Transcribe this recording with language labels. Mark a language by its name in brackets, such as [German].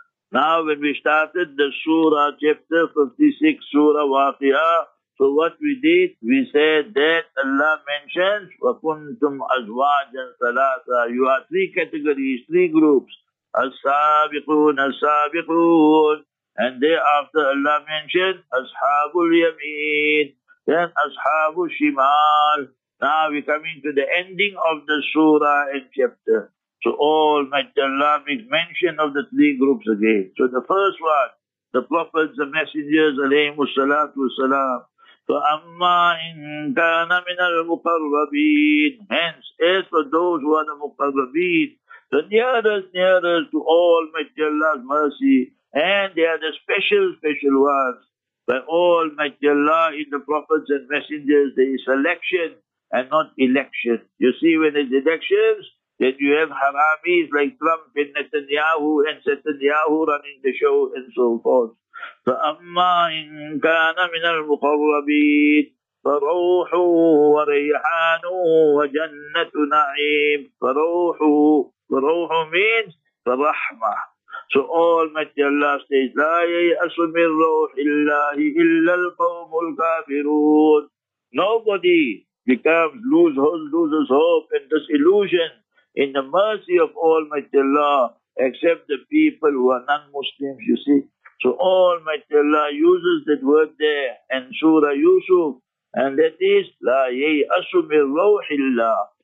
[English] Now when we started the surah, chapter 56, surah Waqi'a, so what we did, we said that Allah mentions, [Arabic] وَكُنْتُمْ أَزْوَاجًا ثَلَاثًا. [English] You are three categories, three groups. [Arabic] السَّابِقُونَ السَّابِقُونَ. [English] And thereafter Allah mentioned, [Arabic] أَصْحَابُ الْيَمِينَ. Then أَصْحَابُ الشِّمَالِ. [English] Now we come into the ending of the surah and chapter. So all Almighty Allah makes mention of the three groups again. So the first one, the prophets, the messengers, alayhimu salatu wasalam. [Arabic] فَأَمَّا إِن كَانَ مِنَ الْمُقَرَّبِينَ. [English] Hence, as for those who are the muqarrabin, the nearest to all Almighty Allah's mercy, and they are the special ones. By all Almighty Allah in the prophets and messengers, there is selection and not election. You see, when there's elections, then you have haramis like Trump and Netanyahu and Setanyahu running the show and so forth. [Arabic] فَأَمَّا إِن كَانَ مِنَ الْمُقَرَّبِينَ فَرَوْحُ وَرَيْحَانُ وَجَنَّةُ نَعِيمٍ. فَرَوْحُ means فَرَحْمَةُ. [English] So Almighty Allah says, [Arabic] لَا يَيْأَسُ مِنْ رَوْحِ اللَّهِ إِلَّا الْقَوْمُ الْكَافِرُونَ. [English] Nobody becomes loses hope and disillusioned in the mercy of Almighty Allah, except the people who are non-Muslims, you see. So Almighty Allah uses that word there, and Surah Yusuf, and that is, [Arabic] لَا يَيْأَسُ مِنْ رَوْحِ اللَّهِ.